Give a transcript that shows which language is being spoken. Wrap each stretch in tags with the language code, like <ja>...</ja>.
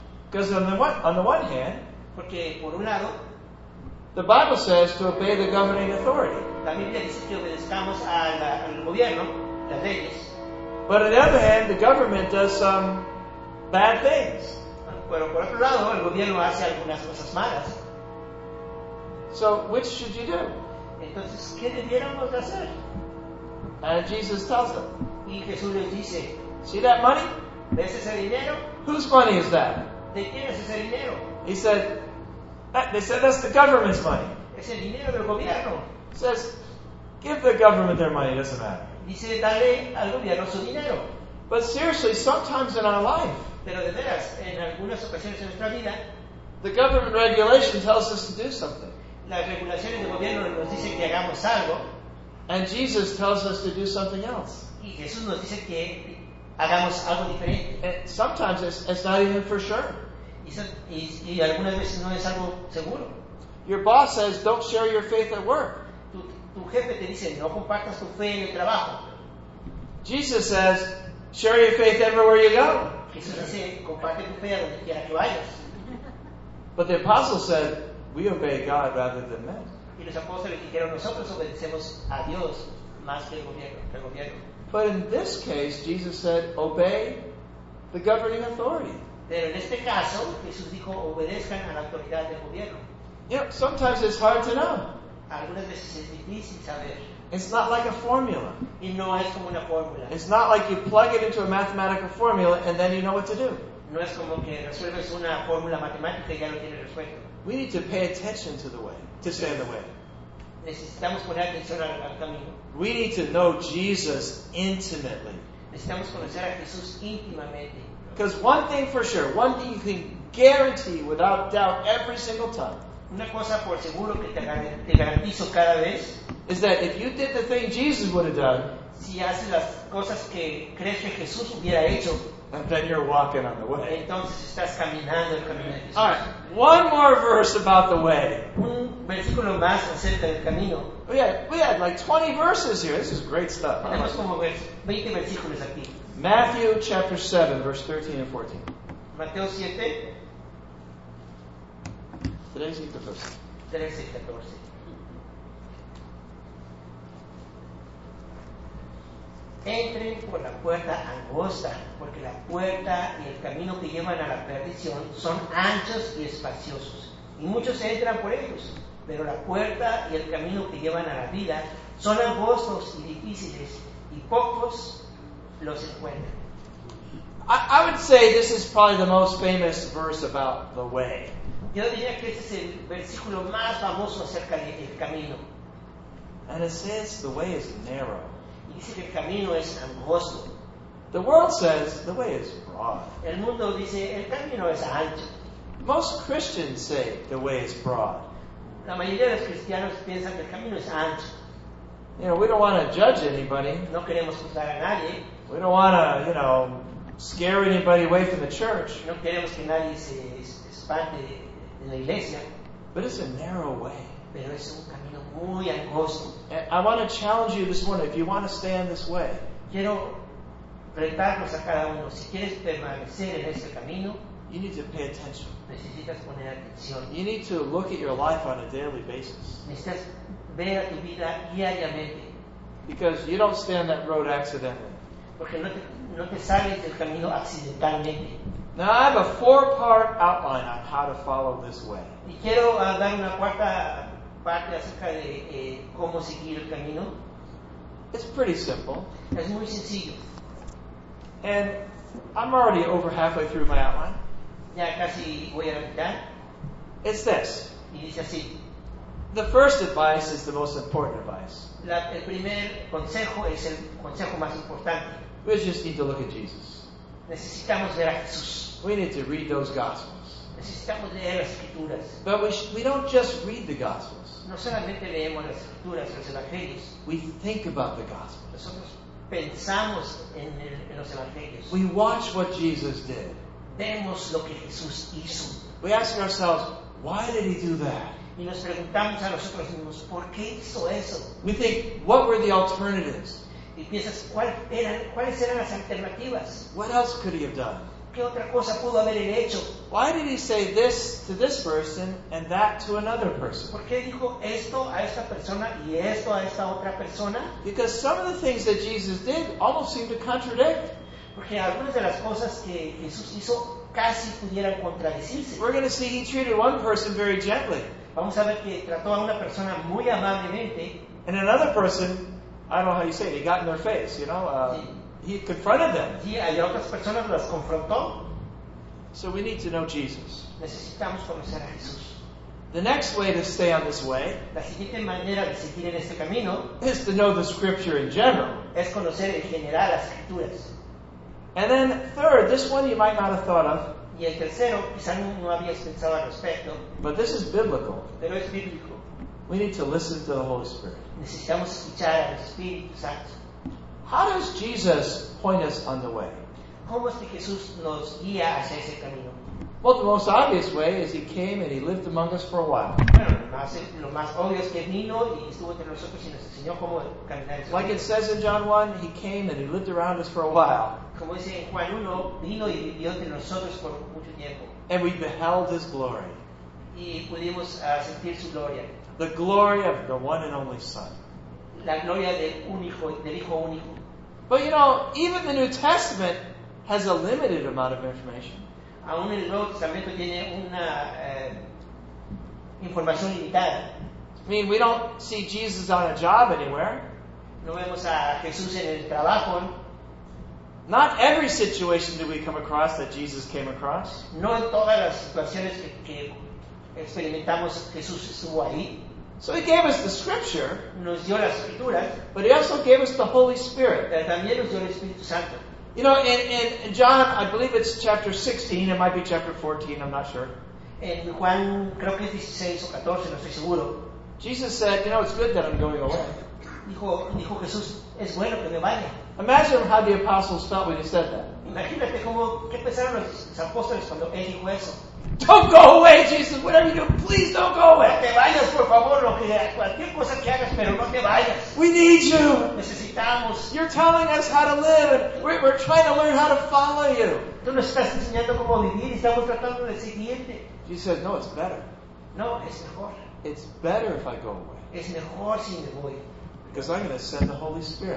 <en>Because on the one hand,</en> <es>porque por un lado,</es> <en>the Bible says to obey the governing authority.</en> <es>La Biblia dice que obedezcamos al gobierno, las leyes.</es> <en>But on the other hand, the government does some bad things.</en> <es>Pero por otro lado, el gobierno hace algunas cosas malas.</es> <en>So, which should you do?</en> <es>Entonces, ¿qué debiéramos de hacer?</es> <en>And Jesus tells them.</en> <es>Y Jesús les dice,</es> <en>see that money?</en> <es>¿Ves ese dinero?</es> <en>Whose money is that?</en> <es>¿De quién es ese dinero?</es> <en>He said, they said that's the government's money.</en> <es>Es el dinero del gobierno.</es> <en>He says, give the government their money, it doesn't matter.</en> <es>Dice, dale al gobierno su dinero.</es> <en>But seriously, sometimes in our life,</en> <es>pero de veras, en algunas ocasiones en nuestra vida,</es> <en>the government regulation tells us to do something.</en> <es>Las regulaciones del gobierno nos dicen que hagamos algo.</es> <en>And Jesus tells us to do something else.</en> <es>Y Jesús nos dice que hagamos algo diferente.</es> <en>And sometimes it's not even for sure.</en> <es>Y algunas veces no es algo seguro.</es> <en>Your boss says, don't share your faith at work.</en> <es>Tu jefe te dice, no compartas tu fe en el trabajo.</es> <en>Jesus says, share your faith everywhere you go.</en> <es>Jesús dice, comparte tu fe a donde quiera que vayas.</es> <en>But the apostle said, we obey God rather than men.</en> <es>Y los apóstoles dijeron, nosotros obedecemos a Dios más que el gobierno.</es> <en>But in this case, Jesus said, obey the governing authority.</en> <es>Pero en este caso, Jesús dijo, obedezcan a la autoridad del gobierno.</es> <en>You know, sometimes it's hard to know.</en> <es>Algunas veces es difícil saber.</es> <en>It's not like a formula.</en> <es>Y no es como una fórmula.</es> <en>It's not like you plug it into a mathematical formula and then you know what to do.</en> <es>No es como que resuelves una fórmula matemática y ya lo tienes resuelto.</es> <en>We need to pay attention to the way, to stay in the way.</en> <es>Necesitamos poner atención al camino.</es> <en>We need to know Jesus intimately.</en> <es>Necesitamos conocer a Jesús íntimamente.</es> <en>Because one thing for sure, one thing you can guarantee without doubt every single time,</en> <es>una cosa por seguro que te garantizo cada vez,</es> <en>is that if you did the thing Jesus would have done,</en> <es>si haces las cosas que crees que Jesús hubiera hecho,</es> <en>and then you're walking on the way.</en> <es>Entonces estás caminando el camino de Jesús.</es> <en>All right, one more verse about the way.</en> <es>Un versículo más acerca del camino.</es> <en>We had like 20 verses here. This is great stuff.</en> <es>Tenemos como 20 versículos aquí.</es> <en>Matthew chapter 7, verse 13 and 14.</en> <es>Mateo 7. 13 y 14. 13 y 14. Entren por la puerta angosta, porque la puerta y el camino que llevan a la perdición son anchos y espaciosos, y muchos entran por ellos. Pero la puerta y el camino que llevan a la vida son angostos y difíciles, y pocos los encuentran.</es> <en>I would say this is probably the most famous verse about the way.</en> <es>Yo diría que este es el versículo más famoso acerca del camino.</es> <en>And it says the way is narrow.</en> <es>Dice que el camino es angosto.</es> <en>The world says the way is broad.</en> <es>El mundo dice el camino es ancho.</es> <en>Most Christians say the way is broad.</en> <es>La mayoría de los cristianos piensan que el camino es ancho.</es> <en>You know, we don't want to judge anybody.</en> <es>No queremos juzgar a nadie.</es> <en>We don't want to, you know, scare anybody away from the church.</en> <es>No queremos que nadie se espante de la iglesia.</es> <en>But it's a narrow way.</en> <es>Pero es un camino muy angosto.</es> <en>And I want to challenge you this morning, if you want to stay in this way,</en> <es>quiero retarnos a cada uno, si quieres permanecer en este camino,</es> <en>you need to pay attention.</en> <es>Necesitas poner atención.</es> <en>You need to look at your life on a daily basis.</en> <es>Necesitas ver tu vida diariamente.</es> <en>Because you don't stay on that road accidentally.</en> <es>Porque no te sales del camino accidentalmente.</es> <en>Now I have a four-part outline on how to follow this way.</en> <es>Y quiero dar una cuarta parte acerca de cómo seguir el camino.</es> <en>It's pretty simple.</en> <es>Es muy sencillo.</es> <en>And I'm already over halfway through my outline.</en> <es>Ya casi voy a la mitad.</es> <en>It's this.</en> <es>Y dice así.</es> <en>The first advice is the most important advice.</en> <es>El primer consejo es el consejo más importante.</es> <en>We just need to look at Jesus.</en> <es>Necesitamos ver a Jesús.</es> <en>We need to read those Gospels.</en> <es>Necesitamos leer las Escrituras.</es> <en>But we don't just read the Gospels.</en> <es>No solamente leemos las Escrituras, los Evangelios.</es> <en>We think about the Gospels.</en> <es>Nosotros pensamos en los evangelios.</es> <en>We watch what Jesus did.</en> <es>Vemos lo que Jesús hizo.</es> <en>We ask ourselves, why did he do that?</en> <es>Y nos preguntamos a nosotros mismos, ¿por qué hizo eso?</es> <en>We think, what were the alternatives?</en> <es>Y piensas, ¿cuáles eran las alternativas?</es> <en>What else could he have done?</en> <es>¿Qué otra cosa pudo haber hecho?</es> <en>Why did he say this to this person and that to another person?</en> <es>¿Por qué dijo esto a esta persona y esto a esta otra persona?</es> <en>Because some of the things that Jesus did almost seemed to contradict.</en> <es>Porque algunas de las cosas que Jesús hizo casi pudieran contradecirse.</es> <en>We're going to see he treated one person very gently.</en> <es>Vamos a ver que trató a una persona muy amablemente.</es> <en>And another person, I don't know how you say it, he got in their face, you know. He confronted them.</en> <es>Y a otras personas las confrontó.</es> <en>So we need to know Jesus.</en> <es>Necesitamos conocer a Jesús.</es> <en>The next way to stay on this way,</en> <es>la siguiente manera de seguir en este camino,</es> <en>is to know the scripture in general.</en> <es>Es conocer en general las escrituras.</es> <en>And then third, this one you might not have thought of.</en> <es>Y el tercero, quizá no habías pensado al respecto.</es> <en>But this is biblical.</en> <es>Pero es bíblico.</es> <en>We need to listen to the Holy Spirit.</en> <es>Necesitamos escuchar al Espíritu Santo.</es> <en>How does Jesus point us on the way?</en> <es>¿Cómo es que Jesús nos guía hacia ese camino?</es> <en>Well, the most obvious way is he came and he lived among us for a while.</en> <es>Lo más obvio es que vino y estuvo entre nosotros y nos enseñó cómo caminar.</es> <en>Like it says in John 1, he came and he lived around us for a while.</en> <es>Como dice en Juan 1, vino y vivió entre nosotros por mucho tiempo.</es> <en>And we beheld his glory.</en> <es>Y pudimos sentir su gloria.</es> <en>The glory of the one and only Son.</en> <es>La gloria del Hijo único.</es> <en>But you know, even the New Testament has a limited amount of information.</en> <es>Aún el Nuevo Testamento tiene una información limitada.</es> <en>I mean, we don't see Jesus on a job anywhere.</en> <es>No vemos a Jesús en el trabajo.</es> <en>Not every situation do we come across that Jesus came across.</en> <es>No en todas las situaciones que experimentamos Jesús estuvo ahí.</es> <en>So he gave us the scripture.</en> <es>Nos dio la escritura.</es> <en>But he also gave us the Holy Spirit.</en> <es>Pero también nos dio el Espíritu Santo.</es> <en>You know, in John, I believe it's chapter 16, it might be chapter 14, I'm not sure.</en> <es>En Juan, creo que es 16 o 14, no estoy seguro.</es> <en>Jesus said, you know, it's good that I'm going away.</en> <es>Dijo Jesús, es bueno que me vaya.</es> <en>Imagine how the apostles felt when he said that.</en> <es>Imagínate cómo, qué pensaron los apóstoles cuando él dijo eso.</es> <en>Don't go away, Jesus, whatever you do, please don't go away.</en> <es>No te vayas, por favor, lo que, cualquier cosa que hagas, pero no te vayas.</es> <en>We need you.</en> <es>Necesitamos.</es> <en>You're telling us how to live. We're trying to learn how to follow you.</en> <es>Tú nos estás enseñando cómo vivir y estamos tratando de seguirte.</es> <en>Jesus said, no, it's better.</en> <es>No, es mejor.</es> <en>It's better if I go away.</en> <es>Es mejor si me voy.</es> <en>Because I'm going to send the Holy Spirit.</en>